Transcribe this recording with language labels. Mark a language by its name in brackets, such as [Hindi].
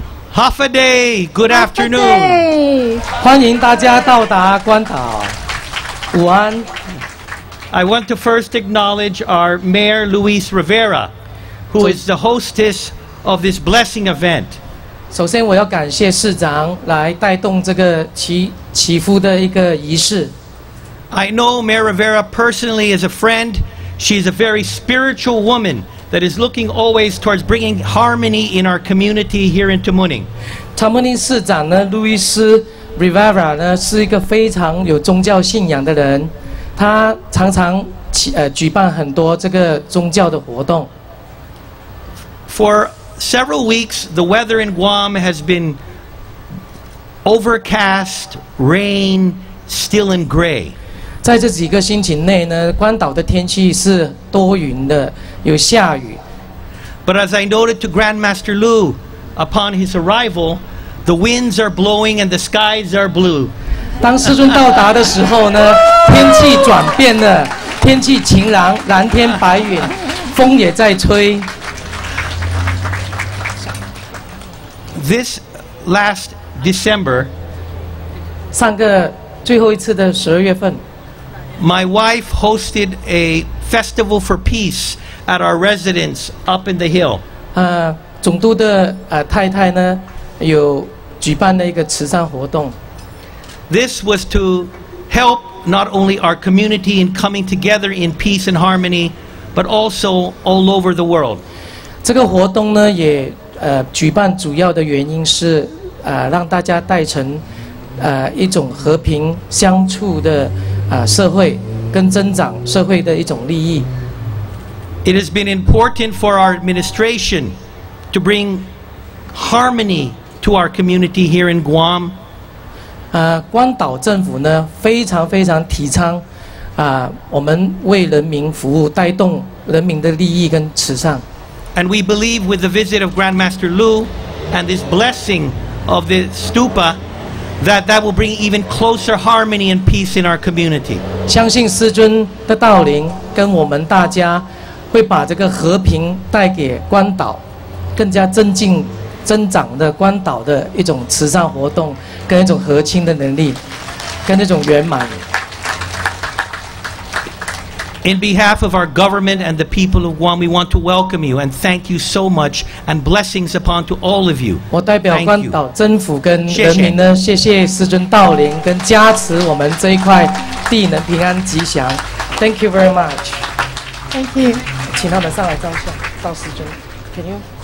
[English] Half a day. Good afternoon. Half a day. [Chinese] 欢迎大家到达关岛。午安。 [English] I want to first acknowledge our Mayor Luis Rivera, who is the hostess of this blessing event. [Chinese] 首先我要感谢市长来带动这个祈福的一个仪式。 [English] I know Mayor Rivera personally as a friend. She is a very spiritual woman that is looking always towards bringing harmony in our community here in Tamuning. [Chinese] Tamuning 市长呢 ，Luis Rivera 呢是一个非常有宗教信仰的人，他常常举办很多这个宗教的活动。 [English] For several weeks, the weather in Guam has been overcast, rain, still and gray. [Chinese] 在这几个星期内呢，关岛的天气是多云的，有下雨。 [English] But as I noted to Grandmaster Lu, upon his arrival, the winds are blowing and the skies are blue. [Chinese] 当师尊到达的时候呢，天气转变了，天气晴朗，蓝天白云，风也在吹。 [English] This last December, [Chinese] 上个最后一次的十二月份。 [English] My wife hosted a festival for peace at our residence up in the hill. [Chinese] 总督的太太呢，有举办了一个慈善活动。 [English] This was to help not only our community in coming together in peace and harmony, but also all over the world. [Chinese] 这个活动呢，也举办主要的原因是让大家带成一种和平相处的社会，跟增长社会的一种利益。 [English] It has been important for our administration to bring harmony to our community here in Guam. [Chinese] 关岛政府呢非常非常提倡我们为人民服务，带动人民的利益跟慈善。 [English] And we believe with the visit of Grandmaster Lu and this blessing of the stupa, that that will bring even closer harmony and peace in our community. [Chinese] 相信师尊的到临跟我们大家会把这个和平带给关岛，更加增进增长的关岛的一种慈善活动，跟一种和亲的能力，跟一种圆满。 [English] In behalf of our government and the people of Guam, we want to welcome you and thank you so much and blessings upon to all of you. [Chinese] 我代表关岛政府跟人民呢，谢谢师尊到临跟加持我们这一块地能平安吉祥。 [English] Thank you very much. Thank you. [Chinese] 请他们上来照相，到师尊。 [English] Can you?